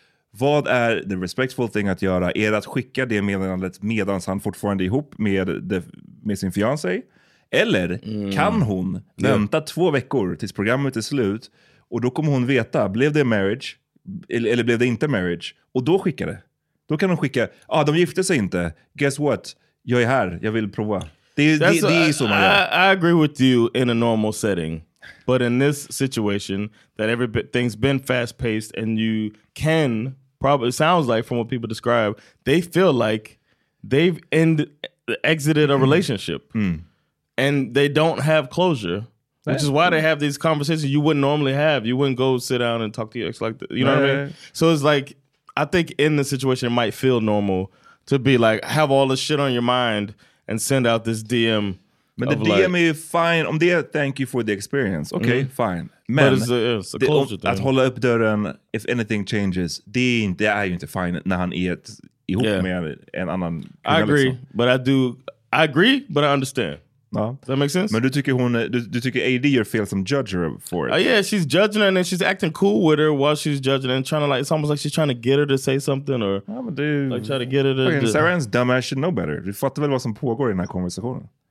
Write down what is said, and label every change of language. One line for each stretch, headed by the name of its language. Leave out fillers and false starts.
Swedish: Vad är
English: the respectful thing
Swedish: att göra? Är det att skicka det meddelandet medan han fortfarande är ihop med sin fiancé? Eller kan hon vänta 2 veckor tills programmet är slut och då kommer hon veta, blev det marriage eller blev det inte marriage? Och då skickar det. Då kan hon skicka, ah, de gifte sig inte.
English: Guess what?
Swedish: Jag är här, jag vill prova. Det är så man gör.
English: I agree with you in a normal setting. But in this situation, that everything's been fast-paced and you can, probably, it sounds like from what people describe, they feel like they've exited a relationship. Mm. And they don't have closure, which is why they have these conversations you wouldn't normally have. You wouldn't go sit down and talk to your ex like that. You know what I mean? So it's like, I think in the situation, it might feel normal to be like, have all this shit on your mind and send out this DM.
Swedish: Men det
English: like,
Swedish: DM är ju fine. Om det är
English: thank you for the experience.
Swedish: Okej,
English: okay, fine.
Swedish: Men att hålla upp dörren,
English: if anything changes,
Swedish: det är ju inte fine när han är ihop med en annan.
English: I agree,
Swedish: liksom.
English: But I do. I agree, but I understand. No. Does that make sense?
Swedish: Men du tycker AD gör fel som judger
English: for it? Yeah, she's judging her and then she's acting cool with her while she's judging her and trying to like, it's almost like she's trying to get her to say something or like try to get her to... Sarah Ann's dumb ass should know better.
Swedish: Du fattar väl vad som pågår i den här konversationen?